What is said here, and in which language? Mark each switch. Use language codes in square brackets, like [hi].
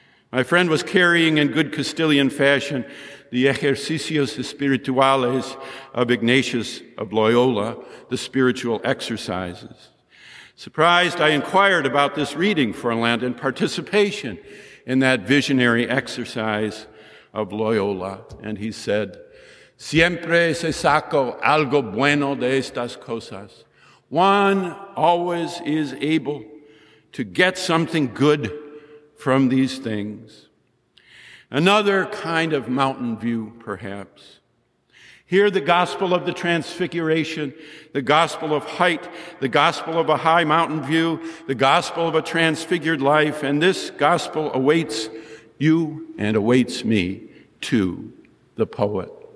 [en] My friend was carrying, in good Castilian fashion, the Ejercicios Espirituales of Ignatius of Loyola, the spiritual exercises. Surprised, I inquired about this reading for Lent and participation in that visionary exercise of Loyola. [es] And he said, "Siempre se saco algo bueno de estas cosas." [en] One always is able to get something good from these things. Another kind of mountain view, perhaps. Hear the gospel of the transfiguration, the gospel of height, the gospel of a high mountain view, the gospel of a transfigured life, and this gospel awaits you and awaits me too, the poet.